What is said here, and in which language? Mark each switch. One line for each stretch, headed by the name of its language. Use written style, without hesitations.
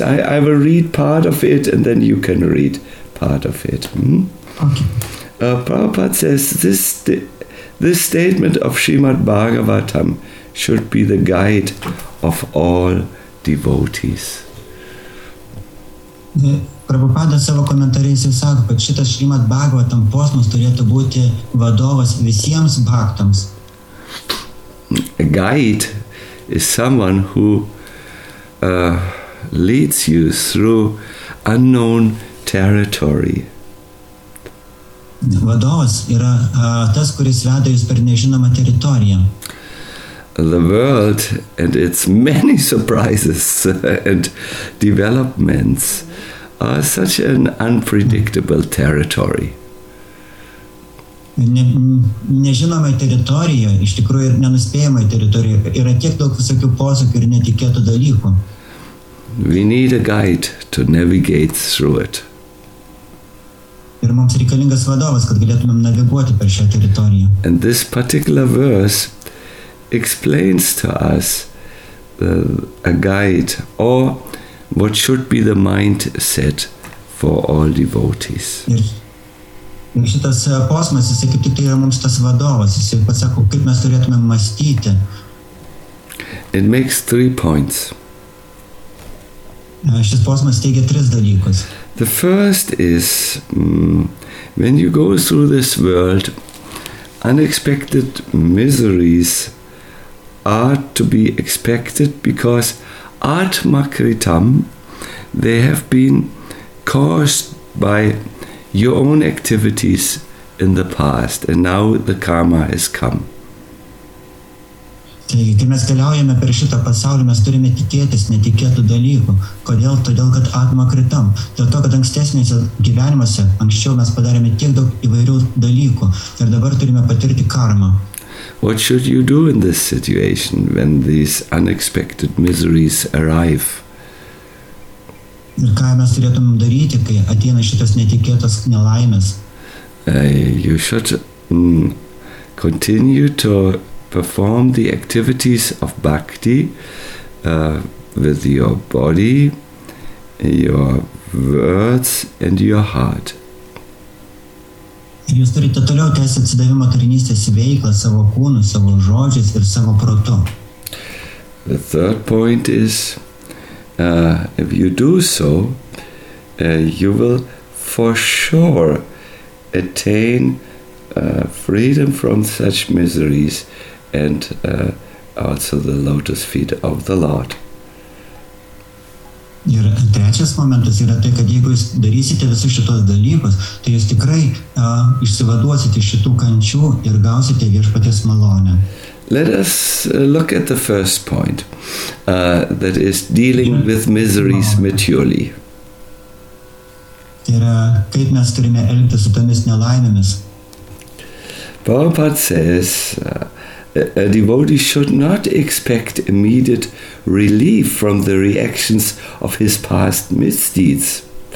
English: I will read part of it, and then you can read part of it. Okay. Prabhupada says this statement of Srimad Bhagavatam should be the guide of all devotees.
Lithuanian: Prabhupada savo komentarėse sako, kad šitas Šrimad Bhagavatam posmas turėtų būti vadovas visiems bhaktams.
English: A guide is someone who leads you through unknown territory.
Lithuanian: Vadovas yra tas, kuris veda jūs per nežinomą teritoriją.
English: The world and its many surprises and developments are such an unpredictable territory.
Lithuanian: nežinome teritoriją, iš tikrųjų ir nenuspėjama teritorija, yra tiek daug visokių posūkių ir netikėtų dalykų.
English: We need a guide to navigate through it.
Lithuanian: Ir mums reikalingas vadovas, kad galėtumėm naviguoti per šią teritoriją.
English: And this particular verse explains to us a guide or what should be the mindset for all devotees.
Lithuanian: Ir šitas posmas, jis kaip tik tai yra mums tas vadovas, jis pasako, kaip mes turėtumėm mąstyti.
English: It makes three points.
Lithuanian: Šis posmas teigia tris dalykus.
English: The first is, when you go through this world, unexpected miseries are to be expected because Atma Kritam, they have been caused by your own activities in the past, and now the karma has come.
Lithuanian: Taigi, kai mes keliaujame per šitą pasaulį, mes turime tikėtis netikėtų dalykų. Kodėl? Todėl, kad atma kritam. Dėl to, kad ankstesniuose gyvenimuose, anksčiau mes padarėme tiek daug įvairių dalykų ir dabar turime patirti karmą.
English: What should you do in this situation when these unexpected miseries arrive?
Lithuanian: Ir ką mes turėtume daryti, kai ateina šitas netikėtas nelaimės?
English: You should continue to perform the activities of bhakti with your body, your words, and your heart.
Lithuanian: Jūs turite toliau tęsti atsidavimo tarnystės veiklą savo kūnu, savo žodžiais ir savo protu.
English: The third point is, if you do so, you will for sure attain freedom from such miseries and also the lotus feet of the Lord.
Lithuanian: Ir trečias momentas yra tai, kad jeigu jūs darysite visus šitos dalykus, tai jūs tikrai išsivaduosite iš šitų kančių ir gausite viešpaties malonę.
English: Let us look at the first point, that is dealing with miseries maturely.
Lithuanian: Ir kaip mes turime elgtis su tomis nelaimėmis.
English: Prabhupada says, a devotee should not expect immediate relief from the reactions of his past misdeeds.